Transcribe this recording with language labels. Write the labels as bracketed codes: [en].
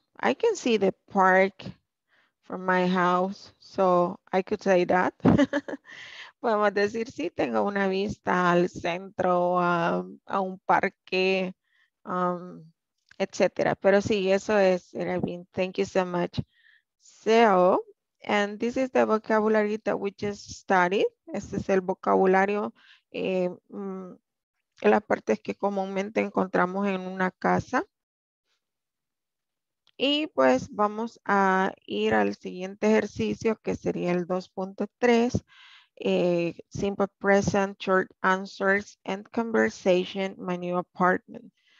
[en] I can see the park from my house, so I could say that. [es] Podemos decir, sí, tengo una vista al centro, a un parque, etc. Pero sí, eso es, [en] I mean, thank you so much. So, and this is the vocabulary that we just studied. [es] Este es el vocabulario, las partes que comúnmente encontramos en una casa. Y pues vamos a ir al siguiente ejercicio, que sería el 2.3. [en] Simple present, short answers, and conversation, my new apartment.